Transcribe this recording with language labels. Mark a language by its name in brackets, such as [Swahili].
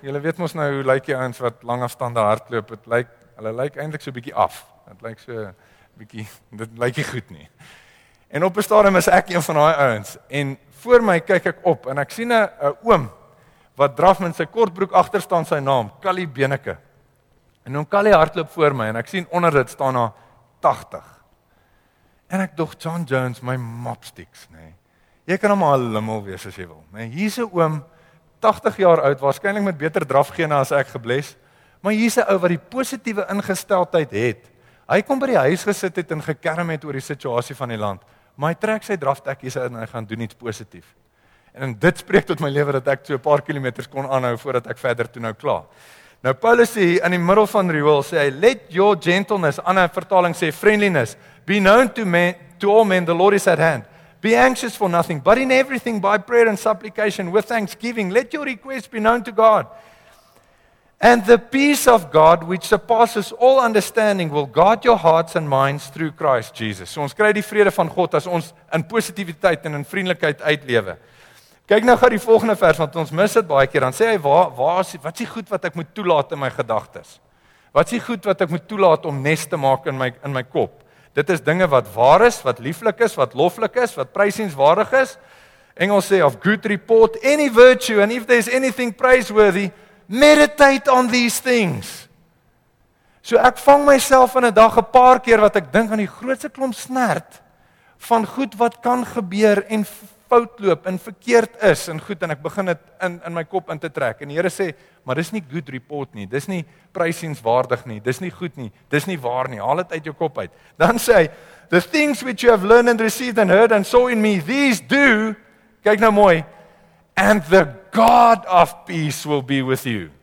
[Afrikaans] Julle weet mos nou hoe lyk jy ouens wat lang afstande hardloop? Dit lyk hulle lyk eintlik so 'n bietjie af. Dit lyk so 'n bietjie dit lyk nie goed nie. En op 'n stadium is ek een van daai ouens en voor my kyk ek op en ek sien 'n oom wat draf met sy kortbroek agter staan sy naam, Callie Beneke. En oom Callie hardloop voor my en ek sien onder dit staan na 80. En ek dog John Jones, my mopsticks, nee. Jy kan hom al limmel wees as jy wil. Maar hier's 'n oom, 80 jaar oud, waarskynlik met beter drafgene as ek gebles, maar hier's 'n ou wat die positiewe ingesteldheid het. Hy kom by die huis gesit het en gekerm het oor die situasie van die land, maar hy trek sy draftekkies in en hy gaan doen iets positief. En dit spreek tot my lewe dat ek so 'n paar kilometers kon aanhou voordat ek verder toe nou klaar. Nou Paulus sê in die middel van riool sê hy, [English] let your gentleness, [Afrikaans] ander vertaling sê [English] friendliness, be known to men, to all men, the Lord is at hand. Be anxious for nothing, but in everything by prayer and supplication, with thanksgiving, let your requests be known to God. And the peace of God, which surpasses all understanding, will guard your hearts and minds through Christ Jesus. [Afrikaans] So ons kry die vrede van God as ons in positiviteit en in vriendelikheid uitlewe. Kyk nou gaan die volgende vers, want ons mis dit baie keer, dan sê hy, wat is die goed wat ek moet toelaat in my gedagtes? Wat is die goed wat ek moet toelaat om nes te maak in my kop? Dit is dinge wat waar is, wat lieflik is, wat loflik is, wat prysenswaardig is. Engels sê, [English] of good report, any virtue, and if there's anything praiseworthy, meditate on these things. [Afrikaans] So ek vang myself in 'n dag 'n paar keer wat ek dink aan die grootste klomp snert van goed wat kan gebeur en fout loop en verkeerd is en goed en ek begin dit in my kop in te trek en die Here sê, maar dis nie [English] good report [Afrikaans] nie, dis nie prysienswaardig nie, dis nie goed nie, dis nie waar nie, haal dit uit jou kop uit. Dan sê hy, [English] the things which you have learned and received and heard and saw in me, these do, [Afrikaans] kyk nou mooi, [English] and the God of peace will be with you.